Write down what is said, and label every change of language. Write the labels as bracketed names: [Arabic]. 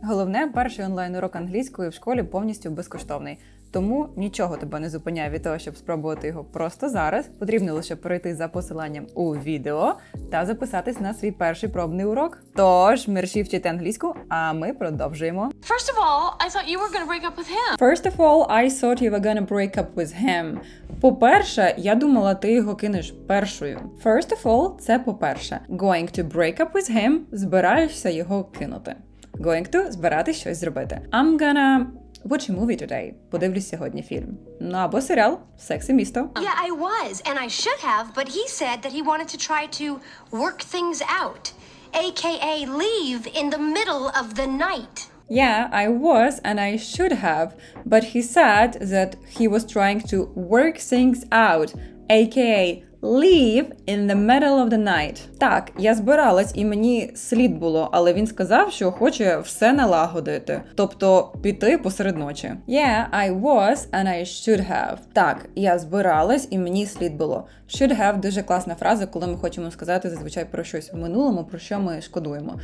[Ukrainian] Головне, перший онлайн-урок англійської в школі повністю безкоштовний. Тому нічого тебе не зупиняє від того, щоб спробувати його просто зараз. Потрібно лише перейти за посиланням у відео та записатись на свій перший пробний урок. Тож, мерші вчити англійську, а ми продовжуємо. [English] First of all, I thought you were gonna break up with him. First of all, I thought you were gonna break up with him. [Ukrainian] По-перше, я думала, ти його кинеш першою. [English] First of all, [Ukrainian] це по-перше. [English] Going to break up with him – [Ukrainian] збираєшся його кинути. [English] going to [Ukrainian] збирати щось зробити. [English] I'm gonna watch a movie today. [Ukrainian] Подивлюсь сьогодні фільм. Ну, або серіал «Секс і місто». [English] Yeah, I was, and I should have, but he said that he wanted to try to work things out. A.K.A. leave in the middle of the night. Yeah, I was, and I should have, but he said that he was trying to work things out, a.k.a. leave in the middle of the night. [Ukrainian] Так, я збиралась і мені слід було, але він сказав, що хоче все налагодити, тобто піти посеред ночі. [English] Yeah, I was and I should have. [Ukrainian] Так, я збиралась і мені слід було. Should have – дуже класна фраза, коли ми хочемо сказати зазвичай про щось в минулому, про що ми шкодуємо.